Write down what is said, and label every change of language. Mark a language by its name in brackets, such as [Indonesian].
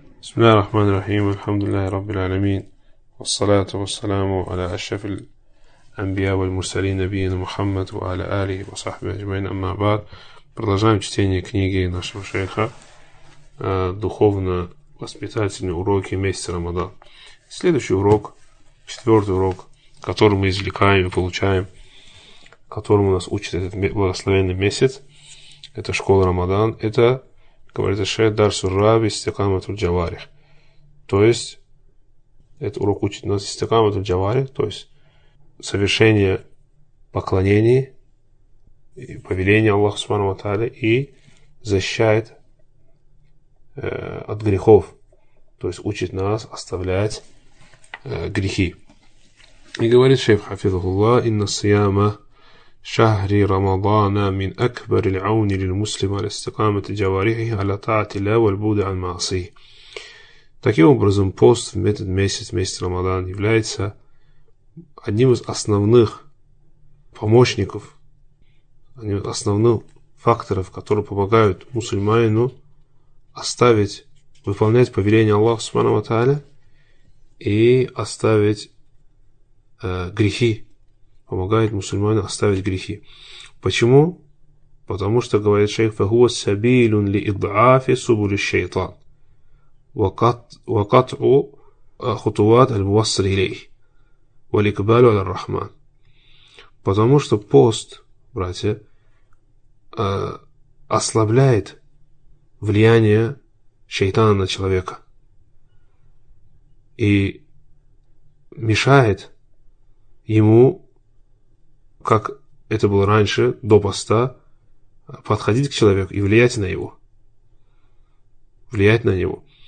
[Arabic] بسم الله الرحمن الرحيم، الحمد لله رب العالمين، والصلاة والسلام على أشرف الأنبياء والمرسلين، نبينا محمد وعلى آله وصحبه أجمعين. أما بعد، [Russian] продолжаем чтение книги нашего шейха «Духовно-воспитательные уроки месяца Рамадан». Следующий урок, четвертый урок, который мы извлекаем и получаем, которому нас учит этот благословенный месяц, это школа Рамадан, это говорит шейх Дарсу Раби Истикамату Джаварих. То есть, этот урок учит нас Истикамату Джаварих, то есть, совершение поклонений и повеления Аллаха Субхану Ва-Тааля и защищает от грехов. То есть, учит нас оставлять грехи. И говорит шейх Хафизахуллах, [Arabic] «Инна сияма شهري رمضان من أكبر العون للمسلم على استقامة جوارحه على طاعة الله والبعد عن معصيه. [Russian] Таким образом, пост в этот месяц, месяц Рамадан, является одним из основных помощников, одним из основных факторов, которые помогают мусульманину оставить, выполнять повеление Аллаха Субхана ва Тааля и оставить грехи. Помогает мусульманам оставить грехи. Почему? Потому что, говорит шейх, [Arabic] فَهُوَ سَبِيلٌ لِإِضْعَافِ سُبُلِ الشَّيْطَانِ وَقَطْعُ خُطُوَاتِ الْمُوَصِّلِ إِلَيْهِ وَلِكْبَالُ عَلَى الرَّحْمَانِ. [Russian] Потому что пост, братья, ослабляет влияние шейтана на человека и мешает ему, как это было раньше, до поста, подходить к человеку и влиять на него. Влиять на него.